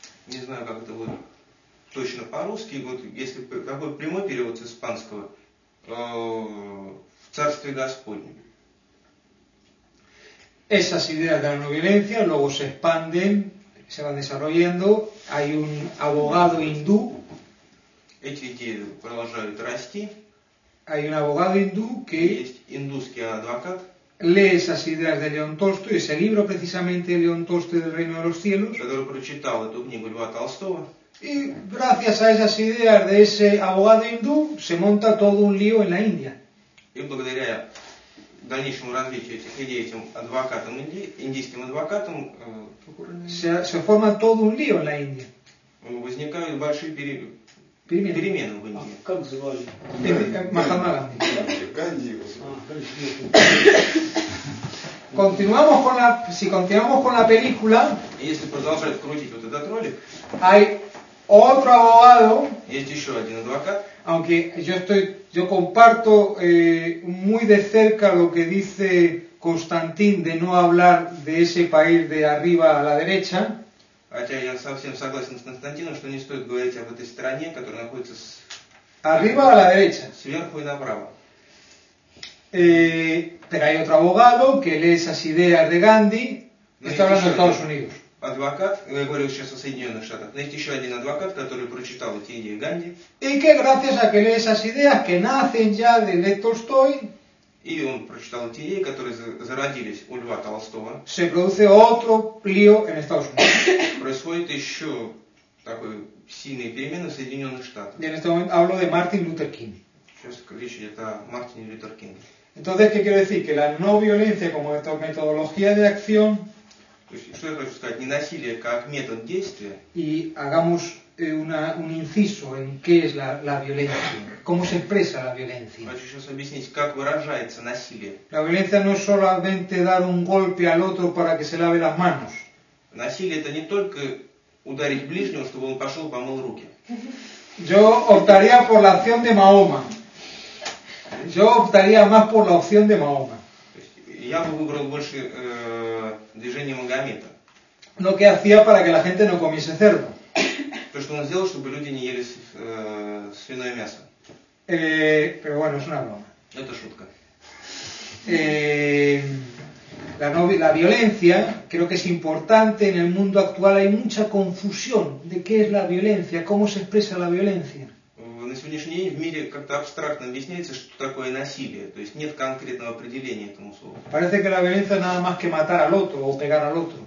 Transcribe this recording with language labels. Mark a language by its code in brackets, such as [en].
[ru] Не знаю, как это будет точно по-русски. Вот если какой прямой перевод с испанского, в Царстве Господнем. [es] Esas ideas de la no violencia luego se expanden, se van desarrollando. Hay un abogado hindú. [ru] Эти идеи продолжают расти. [es] Hay un abogado hindú que [ru] есть индусский адвокат. [es] Lee esas ideas de León Толстой, ese libro precisamente de León Толстой del Reino de los Cielos. [ru] Который прочитал эту книгу Льва Толстого. [es] Y gracias a esas ideas de ese abogado hindú se monta todo un lío en la India. [ru] И благодаря дальнейшему развитию этих идей этим адвокатам, индийским адвокатам, [es] se forma todo un lío en la India. [ru] Возникают большие перемены в Индии. Как звали? Махатма Ганди. Ганди. [es] Continuamos con la película. [ru] Если продолжать крутить вот этот ролик. [es] Hay otro abogado. [ru] Есть еще один адвокат. [es] Aunque yo comparto muy de cerca lo que dice Constantín de no hablar de ese país de arriba a la derecha. [ru] Хотя я совсем согласен с Константином, что не стоит говорить об этой стране, которая находится [es] Arriba o a la derecha. [ru] Сверху и направо. [es] Pero hay otro abogado que lee esas ideas de Gandhi. [ru] Но [es] está hablando de Estados Unidos. [ru] Адвокат, я говорю сейчас о Соединенных Штатах. Найти еще один адвокат, который прочитал эти идеи Ганди. И [es] que gracias a que lee esas ideas que nacen ya de Лев Толстой. [ru] И он прочитал эти идеи, которые зародились у Льва Толстого. [es] Se produce otro lío en Estados Unidos. [ru] Происходит еще такой сильный перемен в Соединенных Штатах. Я в этот момент говорю о Мартине Лютер Кинге. Сейчас речь идет о Мартине Лютер Кинге. [es] Entonces, ¿qué quiero decir? Que la no violencia como esta metodología de acción. [ru] Что я хочу сказать? Ненасилие как метод действия. И [es] hagamos un inciso en qué es la violencia, cómo se expresa la violencia. [ru] Хочу сейчас объяснить, как выражается насилие. [es] La violencia no es solamente dar un golpe al otro para que se lave las manos. [ru] Насилие это не только ударить ближнего, чтобы он пошел помыл руки. [es] Yo optaría por la opción de Mahoma. Yo optaría más por la opción de Mahoma. [ru] Я бы выбрал больше движение Магомета. [es] Lo que hacía para que la gente no comiese cerdo. [ru] То, что он сделал, чтобы люди не ели свиное мясо. [es] Pero bueno, es una broma. [ru] Это шутка. [es] La violencia, creo que es importante en el mundo actual. Hay mucha confusión de qué es la violencia, cómo se expresa la violencia. [ru] На сегодняшний день в мире как-то абстрактно объясняется, что такое насилие. То есть нет конкретного определения этому слову. [es] Parece que la violencia nada más que matar al otro o pegar al otro.